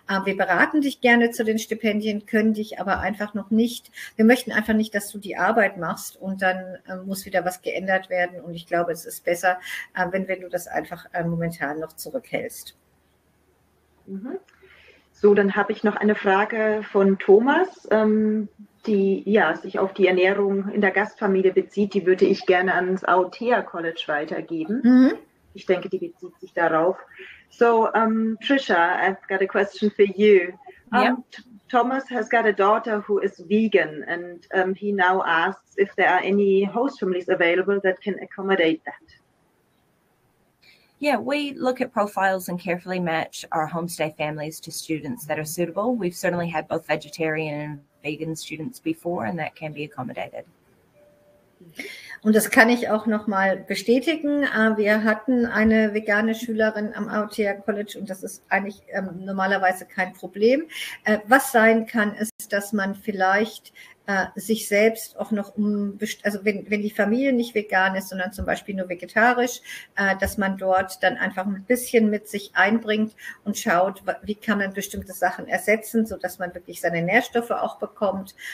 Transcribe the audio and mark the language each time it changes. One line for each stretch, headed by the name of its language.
German: Wir beraten dich gerne zu den Stipendien, können dich aber einfach noch nicht, wir möchten einfach nicht, dass du die Arbeit machst und dann muss wieder was geändert werden und ich glaube, es ist besser, wenn du das einfach momentan noch zurückhältst. So, dann habe ich noch eine Frage von Thomas, die ja sich auf die Ernährung in der Gastfamilie bezieht. Die würde ich gerne ans Aotea College weitergeben. Mhm. Ich denke, die bezieht sich darauf.
English: So, Trisha, I've got a question for you. Thomas has got a daughter who is vegan and he now asks if there are any host families available that can accommodate that. Yeah, we look at profiles and carefully match our homestay families to students that are suitable. We've certainly had both vegetarian and vegan students before and that can be accommodated.
German: Und das kann ich auch nochmal bestätigen. Wir hatten eine vegane Schülerin am Aotea College und das ist eigentlich normalerweise kein Problem. Was sein kann, ist, dass man vielleicht sich selbst auch noch wenn die Familie nicht vegan ist, sondern zum Beispiel nur vegetarisch, dass man dort dann einfach ein bisschen mit sich einbringt und schaut, wie kann man bestimmte Sachen ersetzen, so dass man wirklich seine Nährstoffe auch bekommt.